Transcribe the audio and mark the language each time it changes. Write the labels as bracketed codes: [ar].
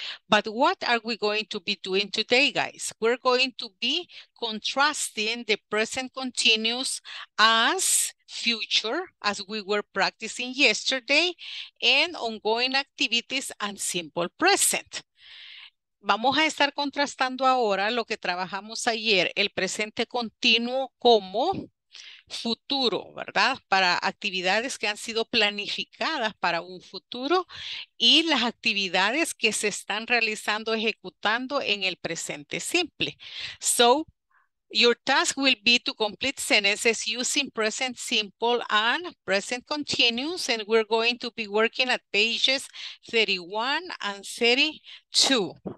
[en] But what are we going to be doing today, guys? We're going to be contrasting the present continuous as future, as we were practicing yesterday, and ongoing activities and simple present. [es] Vamos a estar contrastando ahora lo que trabajamos ayer, el presente continuo como futuro, ¿verdad? Para actividades que han sido planificadas para un futuro y las actividades que se están realizando, ejecutando en el presente simple. [en] So, your task will be to complete sentences using present simple and present continuous, and we're going to be working at pages 31 and 32.